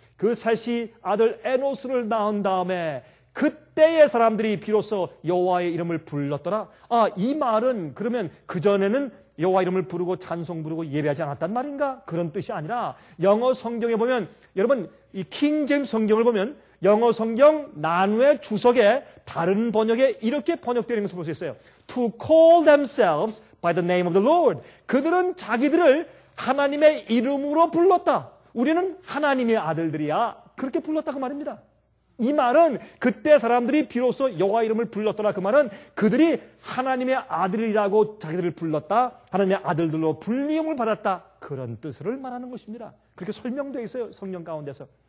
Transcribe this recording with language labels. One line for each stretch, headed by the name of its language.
Korean: 그 셋이 아들 에노스를 낳은 다음에 그때의 사람들이 비로소 여호와의 이름을 불렀더라. 아, 이 말은 그러면 그전에는 여호와 이름을 부르고 찬송 부르고 예배하지 않았단 말인가? 그런 뜻이 아니라 영어 성경에 보면 여러분 이 킹 제임스 성경을 보면 영어 성경 난회 주석에 다른 번역에 이렇게 번역되어 있는 것을 볼 수 있어요.
English: To call themselves by the name of the Lord.
Korean: 그들은 자기들을 하나님의 이름으로 불렀다. 우리는 하나님의 아들들이야. 그렇게 불렀다고 말입니다. 이 말은 그때 사람들이 비로소 여호와 이름을 불렀더라. 그 말은 그들이 하나님의 아들이라고 자기들을 불렀다. 하나님의 아들들로 불리움을 받았다. 그런 뜻을 말하는 것입니다. 그렇게 설명되어 있어요. 성경 가운데서.